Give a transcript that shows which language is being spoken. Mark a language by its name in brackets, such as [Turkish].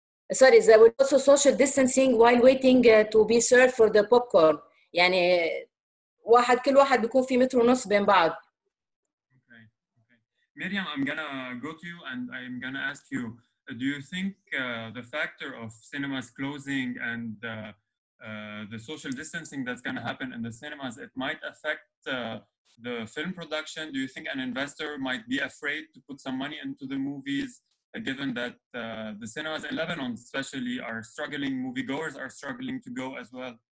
[English] Sorry, there was also social distancing while waiting to be served for the popcorn. [Arabic] يعني واحد كل واحد بيكون في متر ونص بين بعض. [English] Myriam, I'm gonna go to you and I'm gonna ask you, do you think the factor of cinemas closing and the social distancing that's going to happen in the cinemas, it might affect the film production? Do you think an investor might be afraid to put some money into the movies, given that the cinemas in Lebanon especially are struggling, moviegoers are struggling to go as well?